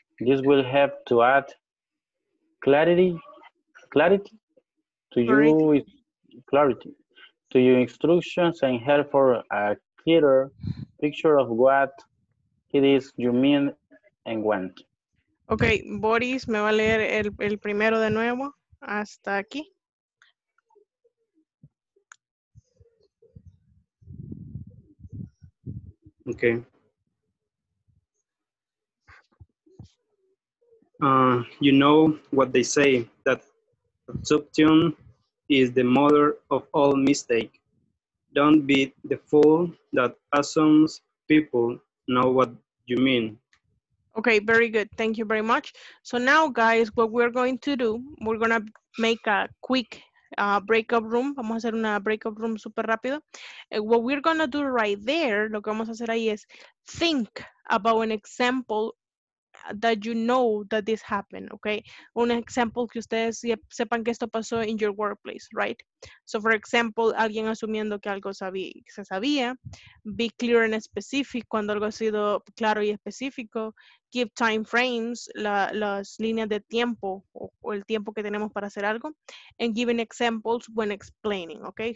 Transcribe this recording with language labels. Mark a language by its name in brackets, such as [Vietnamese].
[English] This will help to add clarity to you. Clarity to your instructions and help for a clearer picture of what it is you mean and want. [Spanish] Okay, Boris, me va a leer el primero de nuevo hasta aquí. [English] Okay. You know what they say, that subtune is the mother of all mistake. Don't be the fool that assumes people know what you mean. Okay, very good. Thank you very much. So now, guys, what we're going to do, we're going to make a quick breakup room. [Spanish] Vamos a hacer una breakup room super rápido. [English] What we're going to do right there, [Spanish] lo que vamos a hacer ahí es [English] think about an example that you know that this happened, okay? [Spanish] Un example que ustedes sepan que esto pasó [English] in your workplace, right? So, for example, [Spanish] alguien asumiendo que algo se sabía, [English] be clear and specific [Spanish] cuando algo ha sido claro y específico, [English] give time frames, [Spanish] las líneas de tiempo o el tiempo que tenemos para hacer algo, [English] and giving examples when explaining, [Spanish] okay?